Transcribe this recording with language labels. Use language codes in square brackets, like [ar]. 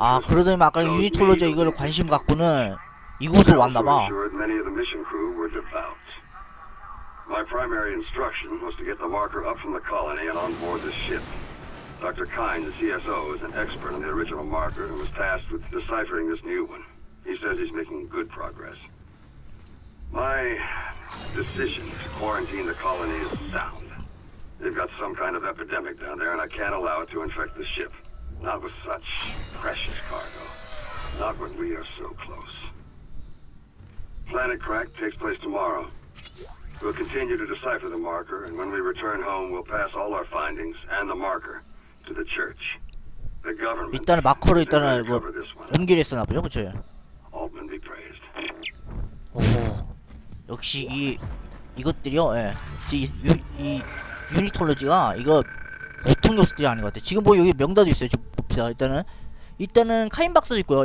[ko] 아, 그러더니 아까 유니톨로지 이걸 관심 갖고는 이곳으로 왔나봐. [en] I'm sure many of the mission crew were devout. My primary instruction was to get the marker up from the colony and on board the ship. Dr. Kine, the CSO, is an expert on the original marker and was tasked with deciphering this new one. He says he's making good progress. My decision to quarantine the colony is sound. They've got some kind of epidemic down there and I can't allow it to infect the ship. Not with such precious cargo. Not when we are so close. Planet Crack takes place tomorrow. We'll continue to decipher the marker, and when we return home, we'll pass all our findings and the marker to the church. The government. [ko] 일단은 마커를 일단은 이거 옮기려 했었나 보죠, 그쵸? [en] 알만 be praised. [ko] 오, 역시 이 이것들이요, 예. 이 유니톨로지가 이거 보통 녀석들이 아닌 것 같아. 지금 뭐 여기 명단도 있어요. 지금 봅시다. 일단은 카인 박사도 있고요.